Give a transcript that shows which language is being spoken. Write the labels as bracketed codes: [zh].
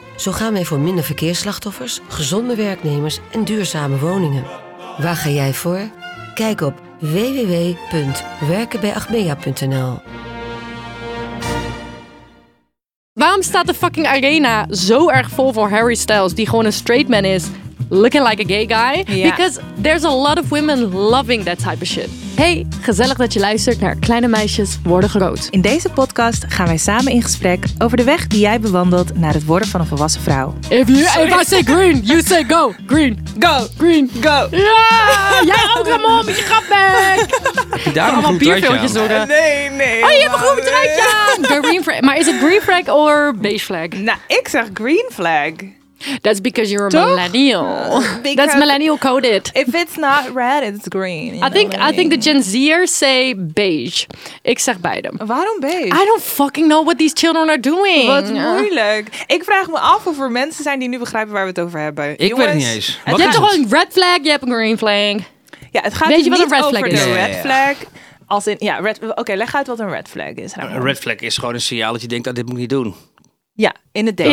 [nl] Zo gaan wij voor minder verkeersslachtoffers, gezonde werknemers en duurzame woningen. Waar ga jij voor? Kijk op www.werkenbijachmea.nl. Waarom staat de fucking arena zo erg vol voor Harry Styles, die gewoon een straight man is, [en] looking like a gay guy? Yeah. Because there's a lot of women loving that type of shit. [nl] Hey, gezellig dat je luistert naar Kleine Meisjes Worden Groot. In deze podcast gaan wij samen in gesprek over de weg die jij bewandelt naar het worden van een volwassen vrouw. [en] If I say green, you say go. Green, go. Green, go. [nl] Ja, jij ook een mom, je gaat back. Heb je daar allemaal bierveeltjes worden? Nee. Oh, je hebt een groen truitje aan. Green flag. Maar is het green flag of beige flag? Nou, ik zeg green flag. [en] That's because you're a millennial. That's millennial coded. If it's not red, it's green. I think the Gen Zers say beige. [nl] Ik zeg beide. Waarom beige? [en] I don't fucking know what these children are doing. [nl] Wat moeilijk. Ik vraag me af of er mensen zijn die nu begrijpen waar we het over hebben. Ik weet het niet eens. Je hebt toch een red flag, je hebt een green flag. Ja, het gaat niet over de red flag. Als in, ja, red. Oké, leg uit wat een red flag is. Een red flag is gewoon een signaal dat je denkt, dat dit moet ik niet doen. Ja, in het daten.